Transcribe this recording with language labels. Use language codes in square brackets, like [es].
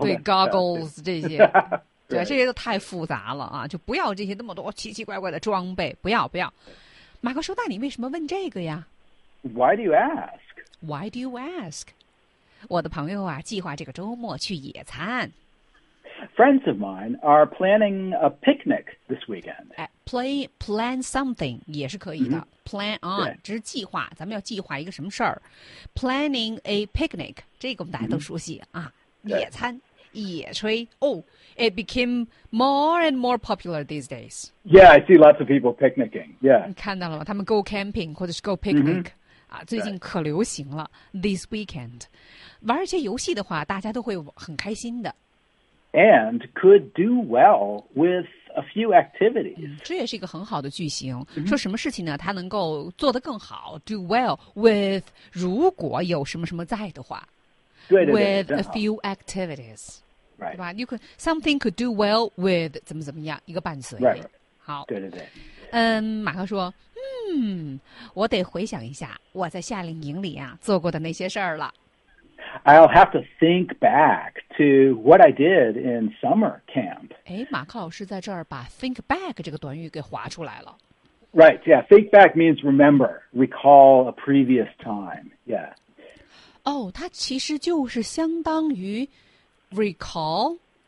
[zh] 对 ，goggles [en] stuff. [zh] 这些，对，这些都太复杂了啊！就不要这些那么多奇奇怪怪的装备，不要。马克说：“那你为什么问这个呀 [en] ？”Why do you ask? Why do you ask? [zh] 我的朋友啊，计划这个周末去野餐。 [en] Friends of mine are planning a picnic this weekend. [zh] Plan something 也是可以的、mm-hmm. Plan on 这是计划咱们要计划一个什么事儿 [en] Planning a picnic [zh] 这个我们大家都熟悉、mm-hmm. 啊野餐野炊 [en] Oh, it became more and more popular these days. Yeah, I see lots of people picnicking. Yeah. [zh] 你看到了吗？他们 [en] go camping [zh] 或者是 [en] go picnic、 [zh] mm-hmm. 啊，最近可流行了、right. [en] This weekend, [zh] 玩一些游戏的话，大家都会很开心的。 [en] And could do well with a few activities.、嗯、 [zh] 这也是一个很好的句型、mm-hmm. 说什么事情呢它能够做得更好 [en] do well with [zh] 如果有什么什么在的话对对对 [en] with a few activities. Right. [zh] 对吧 [en] you could, something could do well with [zh] 怎么怎么样一个伴随。 [en] Right, right. [zh] 好对对对。嗯，马克说：“嗯，我得回想一下我在夏令营里啊做过的那些事儿了。” [en] I'll have to think back to what I did in summer camp. [zh] 哎，马克老师在这儿把 think back 这个短语给划出来了。 [en] Right. Yeah. Think back means remember, recall a previous time. Yeah. [zh] 哦，它其实就是相当于 recall,、